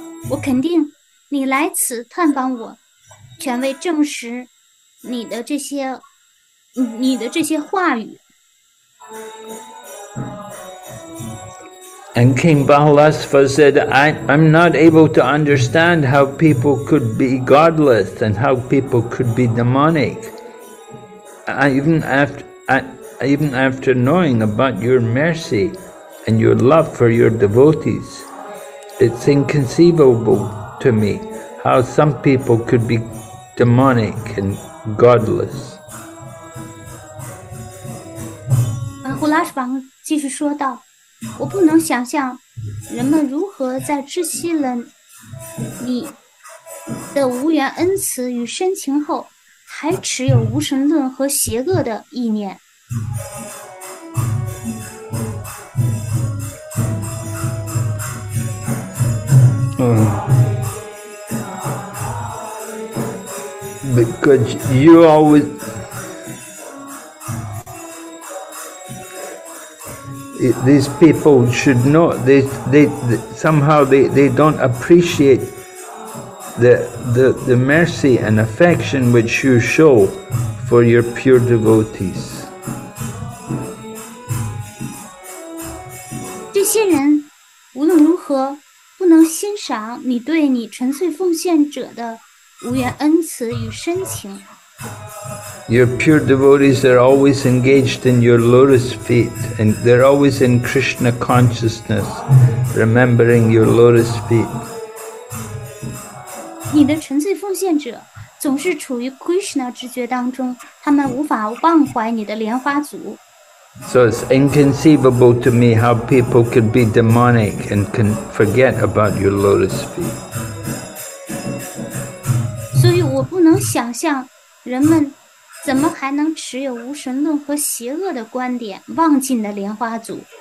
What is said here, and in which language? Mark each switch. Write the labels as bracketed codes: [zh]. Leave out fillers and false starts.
[zh] 我肯定你来此探访我，全为证实你的这些话语。 [en] And King Bahulasva said, I'm not able to understand how people could be godless and how people could be demonic. Even after knowing about your mercy and your love for your devotees, it's inconceivable to me how some people could be demonic and godless. [zh] Bahulasva 继续说道，我不能想象人们如何在知悉了你的无缘恩慈与深情后，还持有无神论和邪恶的意念。 Because you always. [en] These people should know, they somehow don't appreciate the mercy and affection which you show for your pure devotees. [zh] 这些人无论如何不能欣赏你对你纯粹奉献者的无缘恩慈与深情。 [en] Your pure devotees are always engaged in your lotus feet, and they're always in Krishna consciousness, remembering your lotus feet. [zh] 你的纯粹奉献者总是处于 Krishna 知觉当中，他们无法忘怀你的莲花足。 [en] So it's inconceivable to me how people could be demonic and can forget about your lotus feet. [zh] 所以我不能想象人们怎么还能持有无神论和邪恶的观点，忘记了莲花族。